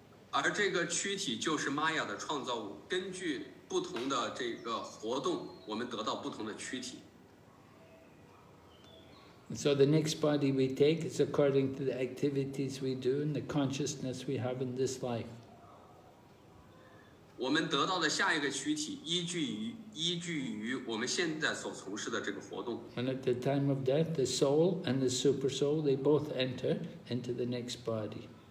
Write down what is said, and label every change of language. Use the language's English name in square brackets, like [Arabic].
[Chinese] 而这个躯体就是玛雅的创造物，根据不同的这个活动，我们得到不同的躯体。 [English] So the next body we take is according to the activities we do and the consciousness we have in this life. [Chinese] 我们得到的下一个躯体依据于我们现在所从事的这个活动。 [English] And at the time of death, the soul and the super soul, they both enter into the next body.